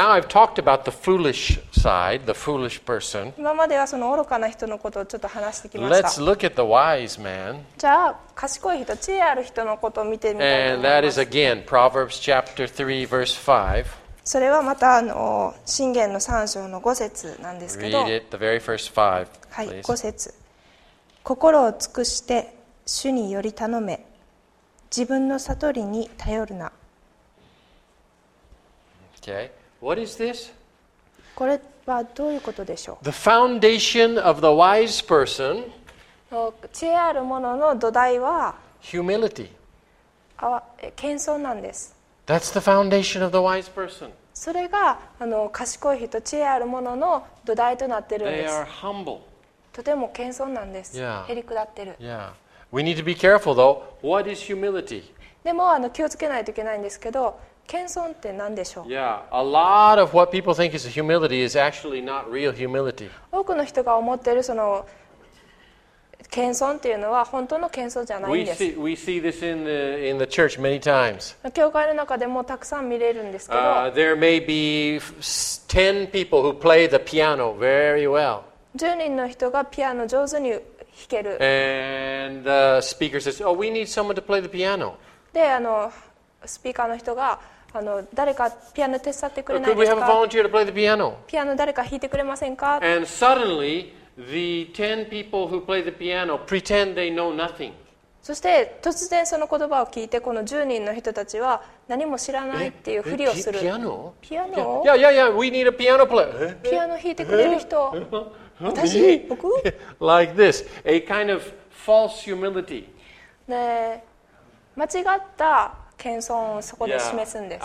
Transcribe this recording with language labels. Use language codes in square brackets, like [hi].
[en] Now I've talked about the foolish side, the foolish person. [ja] 今まではその愚かな人のことをちょっと話してきました。 [en] Let's look at the wise man. [ja] じゃあ賢い人、知恵ある人のことを見てみたいと思います。 [en] And that is again Proverbs chapter 3 verse 5. [ja] それはまた箴言の3章の5節なんですけど。 [en] Read it, the very first five, please. [ja] はい、5節。心を尽くして主により頼め。自分の悟りに頼るな。 [en] Okay. What is this? [ja] これはどういうことでしょう? [en] The foundation of the wise person. [ja] 知恵ある者の土台は [en] Humility. [ja] 謙遜なんです。 [en] That's the foundation of the wise person. [ja] それが賢い人、知恵ある者の土台となっているんです。 [en] They are humble. [ja] とても謙遜なんです。 [en] Yeah. [ja] へりくだってる。 [en] Yeah. We need to be careful though. What is humility? [ja] でも気をつけないといけないんですけど、謙遜って何でしょう? [en] Yeah, a lot of what people think is humility is actually not real humility. [ja] 多くの人が思っているその謙遜っていうのは本当の謙遜じゃないんです。 [en] We see this in the church many times. [ja] 教会の中でもたくさん見れるんですけど。 [en] There may be 10 people who play the piano very well. [ja] 10人の人がピアノ上手に弾ける。 [en] And the speaker says, "Oh, we need someone to play the piano." [ja] で、スピーカーの人が、誰かピアノ手伝ってくれないですか? [en] Could we have a volunteer to play the piano? [ja] ピアノ誰か弾いてくれませんか? [en] And suddenly, the 10 people who play the piano pretend they know nothing. [ja] そして突然その言葉を聞いてこの10人の人たちは何も知らないっていうふりをする。ピアノ? ピアノ? [en] Yeah, yeah, yeah. We need a piano player. [ja] ピアノ弾いてくれる人。私、僕? [en] Like this, a kind of false humility. [ja] 間違った謙遜をそこで示すんです。